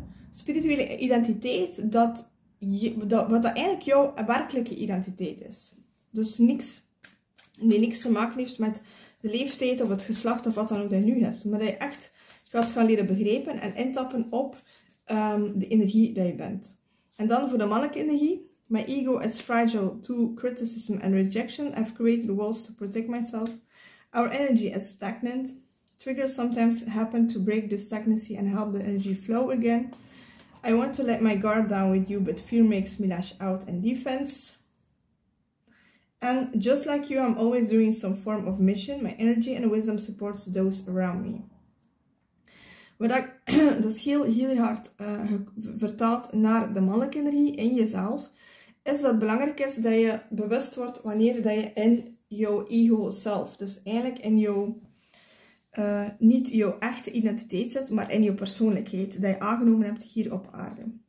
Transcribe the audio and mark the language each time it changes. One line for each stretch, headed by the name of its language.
Dutch: spirituele identiteit, wat eigenlijk jouw werkelijke identiteit is. Dus niks die niks te maken heeft met de leeftijd of het geslacht of wat dan ook dat je nu hebt. Maar dat je echt gaat gaan leren begrijpen en intappen op de energie die je bent. En dan voor de mannelijke energie.
English: My ego is fragile to criticism and rejection. I've created walls to protect myself. Our energy is stagnant. Triggers sometimes happen to break the stagnancy and help the energy flow again. I want to let my guard down with you, but fear makes me lash out in defense. And just like you, I'm always doing some form of mission. My energy and wisdom supports those around me.
Dutch: Wat ik dus heel, heel hard vertaald naar de mannelijke energie in jezelf, is dat het belangrijk is dat je bewust wordt wanneer dat je in jouw ego zelf, dus eigenlijk in jouw... niet jouw echte identiteit zit, maar in jouw persoonlijkheid dat je aangenomen hebt hier op aarde.